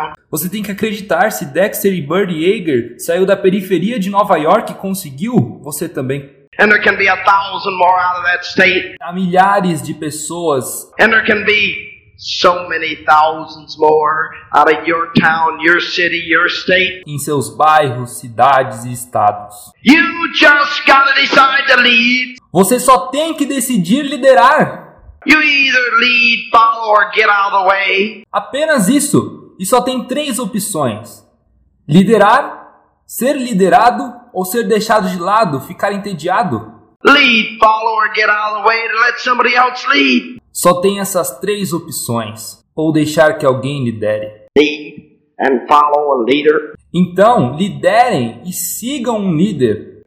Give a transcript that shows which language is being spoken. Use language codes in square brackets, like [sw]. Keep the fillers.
[pt] Você tem que acreditar se Dexter e Bird Yeager saiu da periferia de Nova York e conseguiu, você também [en] And there can be a thousand more out of that state. [pt] Há milhares de pessoas. [en] And there can be so many thousands more out of your town, your city, your state. [pt] Em seus bairros, cidades e estados. [en] You just gotta decide to lead. [pt] Você só tem que decidir liderar. [en] You either lead, follow or get out of the way. [pt] Apenas isso. E só tem três opções: liderar, Ser liderado ou ser deixado de lado, ficar entediado? [en] Lead, follow or get out of the way to let somebody else lead. [pt] Só tem essas três opções. Ou deixar que alguém lidere. [en] Lead and follow a leader. [pt] Então, liderem e sigam um líder.